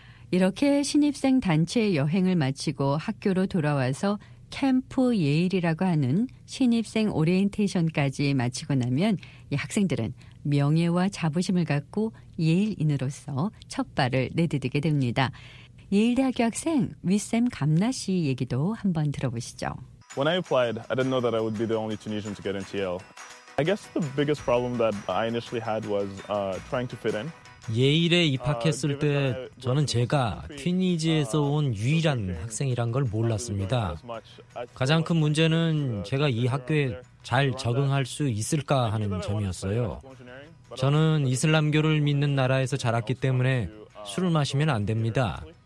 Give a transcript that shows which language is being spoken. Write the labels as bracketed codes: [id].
[ko] 이렇게 신입생 단체 여행을 마치고 학교로 돌아와서 캠프 예일이라고 하는 신입생 오리엔테이션까지 마치고 나면 이 학생들은 명예와 자부심을 갖고 예일인으로서 첫 발을 내디디게 됩니다. 예일대학교 학생 윗샘 감나 씨 얘기도 한번 들어보시죠. [en] When I applied, I didn't know that I would be the only Tunisian to get into Yale. I guess the biggest problem that I initially had was trying to fit in. [ko] 예일에 입학했을 때 저는 제가 튀니지에서 온 유일한 학생이란 걸 몰랐습니다. 가장 큰 문제는 제가 이 학교에 잘 적응할 수 있을까 하는 점이었어요. 저는 이슬람교를 믿는 나라에서 자랐기 때문에 술을 마시면 안 됩니다.